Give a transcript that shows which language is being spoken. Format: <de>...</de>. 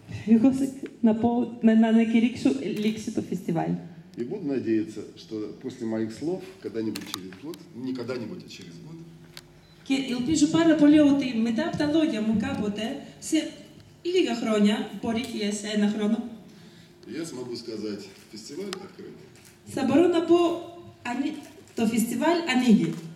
<el>Εγώ να πω να κηρύξω λήξη το φεστιβάλ.</el> <ru>И буду надеяться, что после моих слов, когда-нибудь через год, не когда-нибудь, а через год.</ru> <el>Και ελπίζω πάρα πολύ ότι μετά από τα λόγια μου κάποτε, σε λίγα χρόνια, μπορεί και σε ένα χρόνο.</el> <ru>Я смогу сказать, фестиваль открыт.</ru> <el>Θα μπορώ να πω, το φεστιβάλ ανοίγει.</el>